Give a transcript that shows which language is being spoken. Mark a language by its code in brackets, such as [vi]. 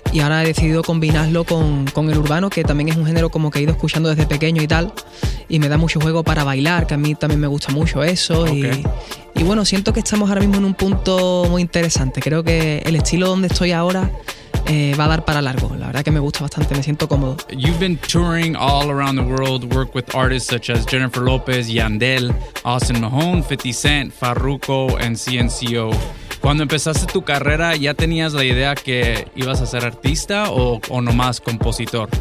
[es] Y ahora he decidido combinarlo con el urbano, que también es un género como que he ido escuchando desde pequeño y tal, y me da mucho juego para bailar, que a mí también me gusta mucho eso. Okay. Y bueno, siento que estamos ahora mismo en un punto muy interesante. Creo que el estilo donde estoy ahora va a dar para largo. La verdad que me gusta bastante, me siento cómodo. [en] You've been touring all around the world, work with artists such as Jennifer Lopez, Yandel, Austin Mahone, 50 Cent, Farruko, and CNCO. [es] Cuando empezaste tu carrera, ¿ya tenías la idea que ibas a ser artista o nomás compositor?